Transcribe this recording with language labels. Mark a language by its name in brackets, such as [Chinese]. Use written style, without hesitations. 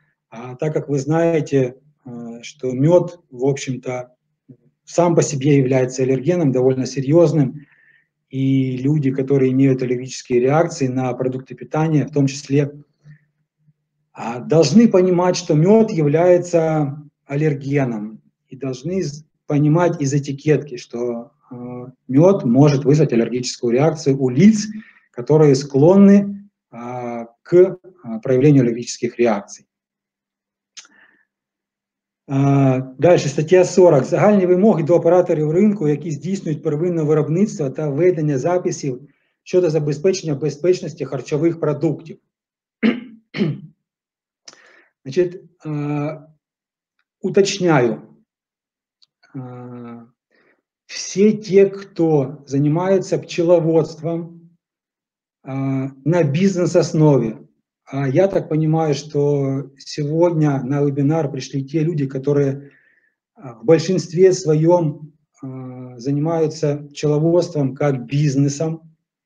[Russian] А так как вы знаете, что мед, в общем-то, сам по себе является аллергеном довольно серьезным, и люди, которые имеют аллергические реакции на продукты питания, в том числе, должны понимать, что мед является аллергеном, и должны понимать из этикетки, что мед может вызвать аллергическую реакцию у лиц, которые склонны к проявлению аллергических реакций. Дальше, статья 40. [Ukrainian] Загальні вимоги до операторів ринку, які здійснюють первинне виробництво та ведення записів щодо забезпечення безпечності харчових продуктів. [Russian] Значит, уточняю, все те, кто занимается пчеловодством на бизнес-основе, а я так понимаю, что сегодня на вебинар пришли те люди, которые в большинстве своем занимаются пчеловодством как бизнесом,